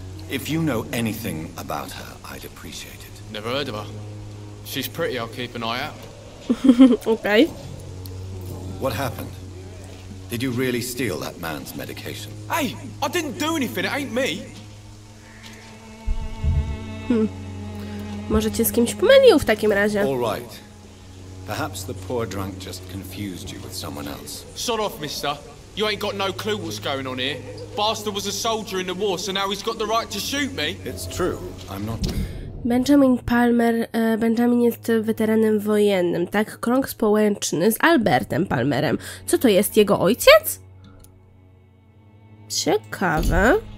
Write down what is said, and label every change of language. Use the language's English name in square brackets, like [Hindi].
[English] If you know anything about her, I'd appreciate it. Never heard of her. She's pretty, I'll keep an eye out. Okay. What happened? Did you really steal that man's medication? Hey, I didn't do anything, it ain't me. [Polish] Może cię z kimś pomylił w takim razie. [English] All right. Perhaps the poor drunk just confused you with someone else. Shut off, mister. You ain't got no clue what's going on here. Bastard was a soldier in the war, so now he's got the right to shoot me. It's true. I'm not... [Polish] Benjamin Palmer, Benjamin jest weteranem wojennym, tak? Krąg społeczny z Albertem Palmerem. Co to jest, jego ojciec? Ciekawe.